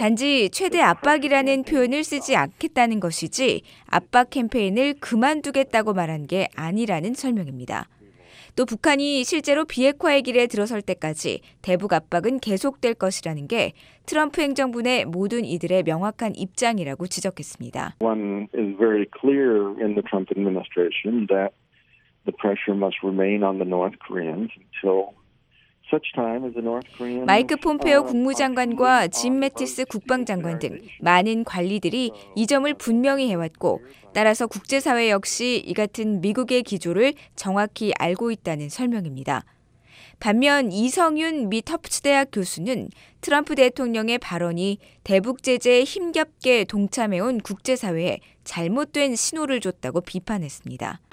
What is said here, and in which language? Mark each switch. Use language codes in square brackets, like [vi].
[ko] 단지 최대 압박이라는 표현을 쓰지 않겠다는 것이지 압박 캠페인을 그만두겠다고 말한 게 아니라는 설명입니다. 또 북한이 실제로 비핵화의 길에 들어설 때까지 대북 압박은 계속될 것이라는 게 트럼프 행정부 내 모든 이들의 명확한 입장이라고 지적했습니다. [en] One is very clear in the Trump administration that. The pressure must remain on the North Koreans until such [ko] 마이크 폼페오 국무장관과 짐 매티스 국방장관 등 많은 관리들이 이 점을 분명히 해왔고 따라서 국제사회 역시 이 같은 미국의 기조를 정확히 알고 있다는 설명입니다. 반면 이성윤 미 터프츠대학 교수는 트럼프 대통령의 발언이 대북 제재에 힘겹게 동참해온 국제사회에 잘못된 신호를 줬다고 비판했습니다.